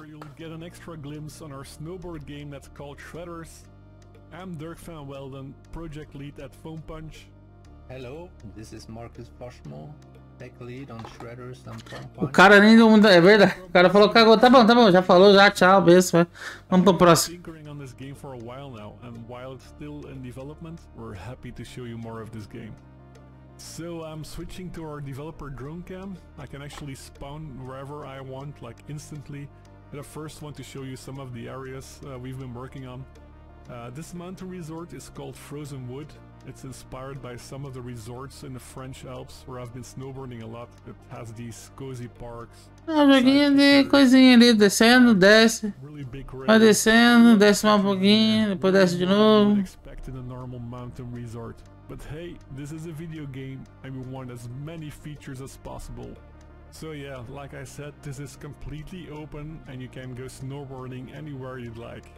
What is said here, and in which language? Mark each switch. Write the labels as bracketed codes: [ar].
[en] You'll get an extra glimpse on our snowboard game that's called Shredders. I'm Dirk van Welden, project lead at Foam Punch. Hello, this is Marcus Boschmo. Tech lead on Shredders and [pt] Pump Punch. O cara nem do mundo, é verdade. O cara falou, cagou, tá bom, já falou, já, tchau, beijo, vamos pro próximo. [en] Tinkering on this game for a while now, and while it's still in development, we're happy to show you more of this game. So I'm switching to our developer drone cam. I can actually spawn wherever I want, like instantly. But I first want to show you some of the areas we've been working on. This mountain resort is called Frozen Wood. It's inspired by some of the resorts in the French Alps where I've been snowboarding a lot. It has these cozy parks. [pt] Ah, joguinho de coisinha ali, descendo, desce. Vai descendo, desce mais um pouquinho, depois desce de novo. [en] Expecting a normal mountain resort. But hey, this is a video game and we want as many features as possible. So yeah, like I said, this is completely open and you can go snowboarding anywhere you'd like.